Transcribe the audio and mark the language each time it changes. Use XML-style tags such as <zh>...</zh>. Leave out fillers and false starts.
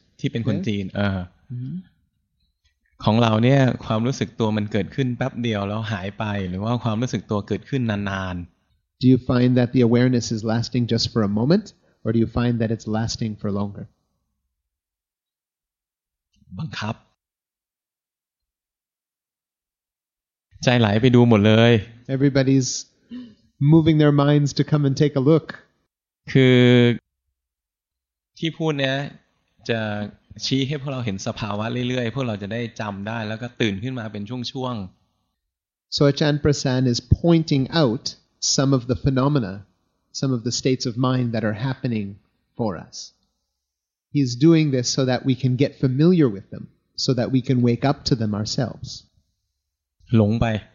<th>ที่เป็นคนจีนของเราเนี่ยความรู้สึกตัวมันเกิดขึ้นแป๊บเดียวแล้วหายไปหรือว่าความรู้สึกตัวเกิดขึ้นนาน</th> <en>ๆ Do you find that the awareness is lasting just for a moment, or do you find that it's lasting for longer?</en> <th>บังคับใจไหลไปดูหมดเลย</th> <en>Everybody's moving their minds to come and take a look.</en> <th>คือที่พูดเนี่ยจะชี้ให้พวกเราเห็นสภาวะเรื่อยๆพวกเราจะได้จำได้แล้วก็ตื่นขึ้นมาเป็นช่วง</th> <en>ๆ So Ajahn Prasan is pointing out some of the phenomena, some of the states of mind that are happening for us. He's doing this so that we can get familiar with them, so that we can wake up to them ourselves.</en> <th>หลงไป</th>